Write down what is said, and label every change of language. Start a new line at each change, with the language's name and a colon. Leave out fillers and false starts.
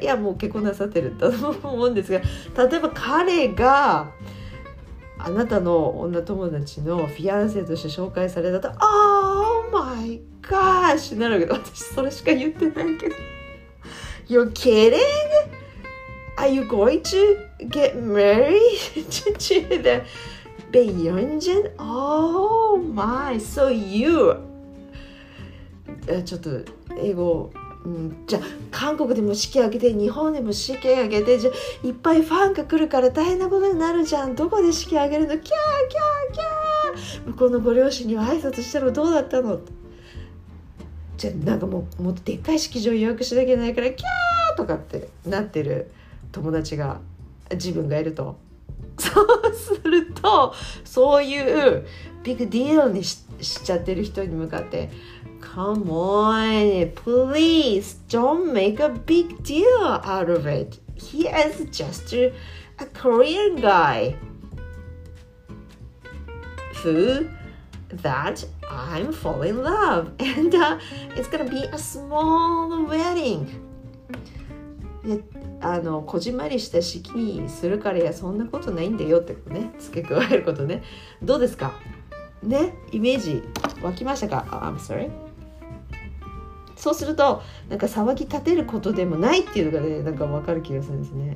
Japanese: いやもう結婚なさってると思うんですが、例えば彼があなたの女友達のフィアンセとして紹介されたと、オーマイガーシなるけど、私それしか言ってないけど、
English: You're kidding? Are you going to get married to the ペヨンジュン？ Oh my, so you
Japanese: ちょっと英語、じゃあ韓国でも式挙げて、日本でも式挙げて、じゃあいっぱいファンが来るから大変なことになるじゃん、どこで式挙げるの、キャーキャーキャー、向こうのご両親には挨拶したのどうだったの、じゃあなんかもうもっとでっかい式場予約しなきゃいけないからキャーとかってなってる友達が自分がいると、そうするとそういうビッグディールに しちゃってる人に向かって、
English: Come on, please don't make a big deal out of it. He is just a Korean guy who that I'm falling in love and it's gonna be a small wedding.
Japanese: あのこじまりした式にするから、やそんなことないんだよってことね、付け加えることね。どうですかね、イメージ湧きましたか。
English: I'm sorry。
Japanese: そうするとなんか騒ぎ立てることでもないっていうのがね、なんか分かる気がするんですね。